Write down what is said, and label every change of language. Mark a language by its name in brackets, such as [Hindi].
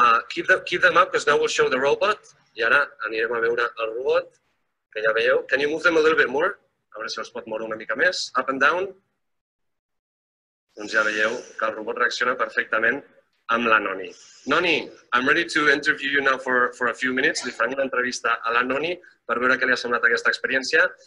[English] Keep them up, because now we'll show the robot. [Catalan] I ara anirem a veure el robot. Que ja veieu. [English] Can you move them a little bit more? [Catalan] A ver si els pot moure una mica més. [English] Up and down. [Catalan] Doncs ja veieu que el robot reacciona perfectament amb la Nonny. [English] Nonny, I'm ready to interview you now for a few minutes. [Catalan] Li faré una entrevista a la Nonny per veure què li ha semblat aquesta experiència.